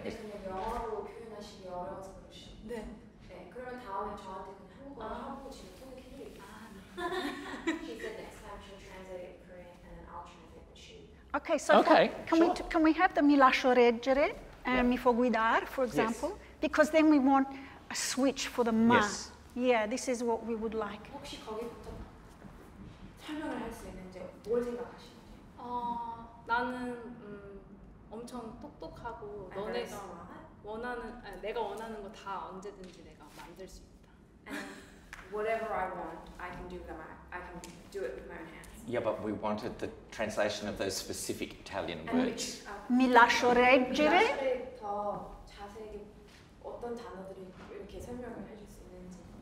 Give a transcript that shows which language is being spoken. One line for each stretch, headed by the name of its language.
English: She said next time she'll translate it in Korean and then I'll translate. Okay, so okay, can we have the
Italian: mi lascio reggere, mi fa guidare,
English: for example? Yes. Because then we want a switch for the ma. Yes. Yeah, this is what we would like.
Korean: 혹시 거기부터 설명을 할 수 있는지, 뭘 생각하시는지? 나는 엄청 똑똑하고 너네가 원하는, 내가 원하는 거 다 언제든지 내가 만들 수 있다.
English: Whatever I want, I can do them. I can do it with my own hands. Yeah, but we wanted the translation of those specific Italian words.
Italian: Mi lascio reggere.
Korean: 더 자세하게 어떤 단어들이 이렇게 설명을 해줄 수 있는지.